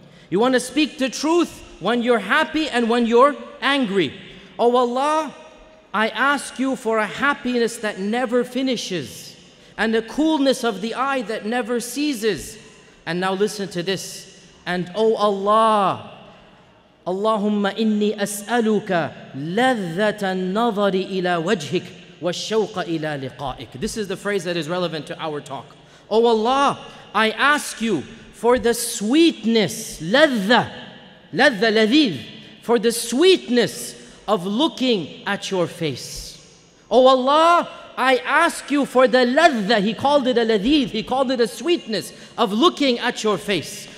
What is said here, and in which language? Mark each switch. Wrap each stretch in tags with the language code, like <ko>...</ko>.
<en>You want to speak the truth when you're happy and when you're angry. O Allah, I ask you for a happiness that never finishes and a coolness of the eye that never ceases. And now listen to this. And O Allah,</en> <ar>اللهم إني أسألك لذة النظر إلى وجهك والشوق إلى لقائك.</ar> <en>This is the phrase that is relevant to our talk. Oh Allah, I ask you for the sweetness,</en> <ar>لذة, لذة, لذيذ,</ar> <en>for the sweetness of looking at your face. Oh Allah, I ask you for the لذة, he called it a لذيذ, he called it a sweetness of looking at your face.</en>